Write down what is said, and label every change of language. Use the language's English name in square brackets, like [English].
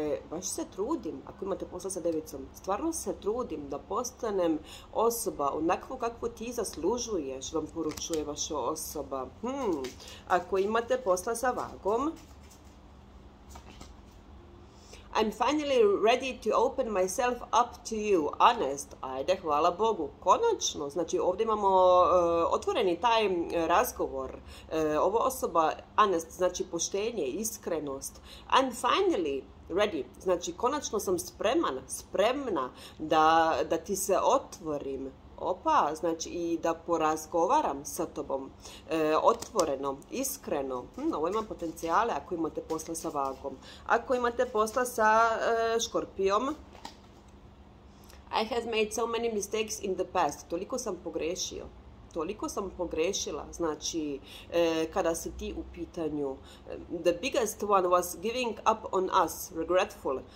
[Bosnian] Baš se trudim, ako imate posla sa devicom, stvarno se trudim da postanem osoba onako kako ti zaslužuješ, vam poručuje vaša osoba. Ako imate posla sa vagom, [English] I'm finally ready to open myself up to you, honest. [Bosnian] Ajde, hvala Bogu, konačno. Znači, ovdje imamo otvoreni taj razgovor. Ovo osoba, honest, znači poštenje, iskrenost. [English] I'm finally ready. [Bosnian] Znači, konačno sam spremna da ti se otvorim. Opa, znači i da porazgovaram sa tobom, otvoreno, iskreno. Ovo ima potencijale ako imate posla sa vagom. Ako imate posla sa škorpijom, [English] I have made so many mistakes in the past. [Bosnian] Toliko sam pogrešio. Toliko sam pogrešila, znači, kada si ti u pitanju. [English] The biggest one was giving up on us, regretful.